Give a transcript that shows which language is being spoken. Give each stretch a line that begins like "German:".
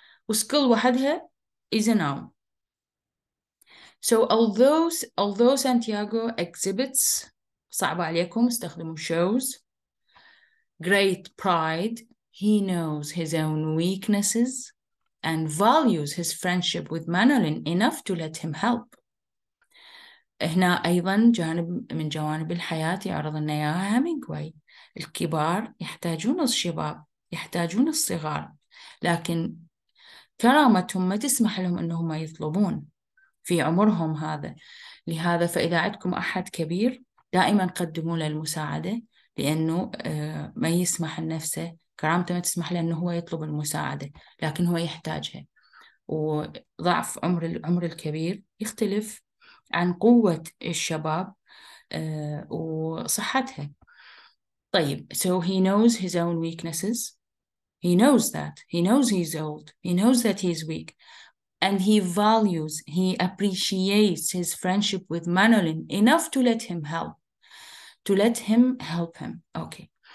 English: وskill وحدها is a noun. So although Santiago exhibits,
Arabic: صعب عليكم, استخدموا
English: shows, great pride, he knows his own weaknesses and values his friendship with Manolin enough to let him help.
Arabic: هنا أيضا جانب من جوانب الحياة يعرض لنا إياها هامينغواي. الكبار يحتاجون الشباب، يحتاجون الصغار، لكن كرامتهم ما تسمح لهم أنهم يطلبون في عمرهم هذا. لهذا فإذا عندكم أحد كبير دائما قدموا له المساعدة، لأنه ما يسمح لنفسه، كرامته ما تسمح له أنه هو يطلب المساعدة، لكن هو يحتاجها. وضعف عمر الكبير يختلف عن قوة الشباب وصحتها. طيب,
English: so he knows his own weaknesses. He knows that. He knows he's old. He knows that he's weak. And he values, he appreciates his friendship with Manolin enough to let him help. To let him help him. Okay.